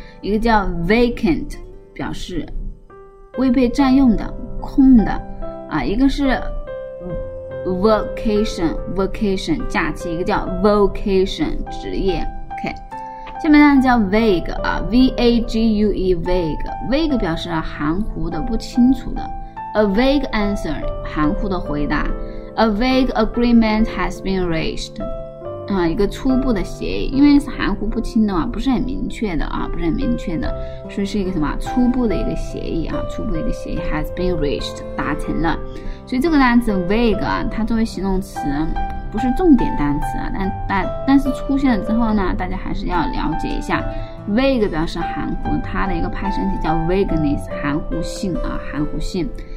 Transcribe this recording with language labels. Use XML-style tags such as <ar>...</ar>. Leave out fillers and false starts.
<zh>一个叫 vacant， 表示。未被占用的空的啊，一个是 vacation 假期，一个叫 vocation 职业。 OK， 下面呢叫 vague 啊 vague vague 表示含糊的、不清楚的。</zh> <en>a vague answer</en> <zh>含糊的回答。</zh> <en>a vague agreement has been reached</en> <zh>啊，一个初步的协议，因为是含糊不清的嘛，不是很明确的啊，不是很明确的，所以是一个什么初步的一个协议啊，初步的一个协议</zh> <en>has been reached</en> <zh>达成了。所以这个单词 vague 啊，它作为形容词不是重点单词啊，但是出现了之后呢，大家还是要了解一下 vague 表示含糊，它的一个派生词叫 vagueness 含糊性啊，含糊性。</zh>